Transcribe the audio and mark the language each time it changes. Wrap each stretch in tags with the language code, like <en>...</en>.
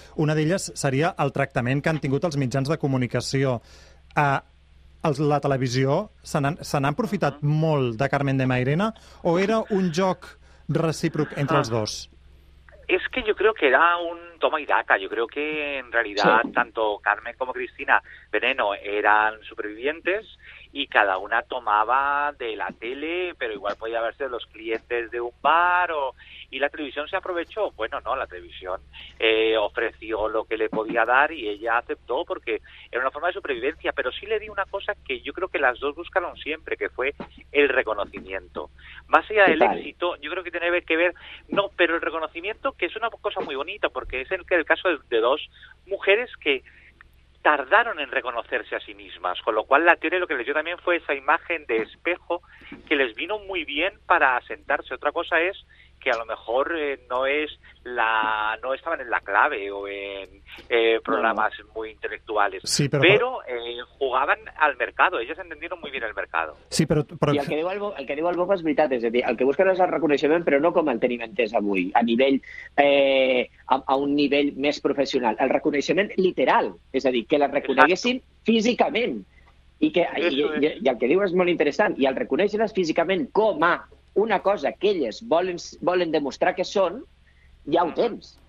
<ca>Una d'elles seria el tractament que han tingut els mitjans de comunicació. La televisió, se n'ha aprofitat molt de Carmen de Mairena, o era un joc recíproc entre els dos?</ca> <es>Es que yo creo que era un toma y daca. Yo creo que en realidad sí, tanto Carmen como Cristina Veneno eran supervivientes y cada una tomaba de la tele, pero igual podía haberse de los clientes de un bar o... ¿Y la televisión se aprovechó? Bueno, no, la televisión ofreció lo que le podía dar y ella aceptó porque era una forma de supervivencia, pero sí le di una cosa que yo creo que las dos buscaron siempre, que fue el reconocimiento. Más allá del éxito, yo creo que tiene que ver, no, pero el reconocimiento, que es una cosa muy bonita, porque es el caso de dos mujeres que tardaron en reconocerse a sí mismas, con lo cual la tele lo que les dio también fue esa imagen de espejo que les vino muy bien para asentarse. Otra cosa es que a lo mejor no estaban en La Clave o en programas muy intelectuales, sí, pero jugaban al mercado, ellas entendieron muy bien el mercado.</es> <ca>Sí, però... I el que diu el Bob és veritat, és a dir, el que busquen és el reconeixement, però no com el tenim entès avui, a nivell a un nivell més professional, el reconeixement literal, és a dir, que la reconeguessin físicament. I el que diu és molt interessant, i el reconeixen físicament com a una cosa que elles volen demostrar que són, ja ho tens.</ca>